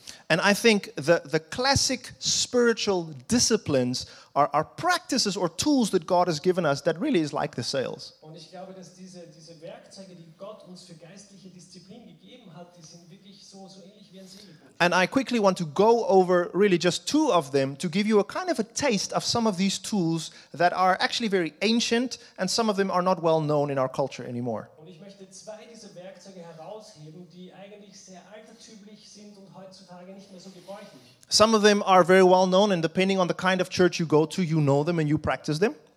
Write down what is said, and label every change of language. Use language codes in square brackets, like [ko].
[en] And I think the classic spiritual disciplines are practices or tools that God has given us that really is like the sails. [de] Und ich glaube, dass diese Werkzeuge, die Gott uns für geistliche Disziplin gegeben hat, die sind wirklich so ähnlich wie ein Segelboot. [en] And I quickly want to go over really just two of them to give you a kind of a taste of some of these tools that are actually very ancient and some of them are not well known in our culture anymore. [de] Und ich möchte zwei dieser Werkzeuge herausheben, die eigentlich sehr altertümlich sind und heutzutage nicht mehr so gebräuchlich. [en] Some of them are very well known, and depending on the kind of church you go to, you know them and you practice them.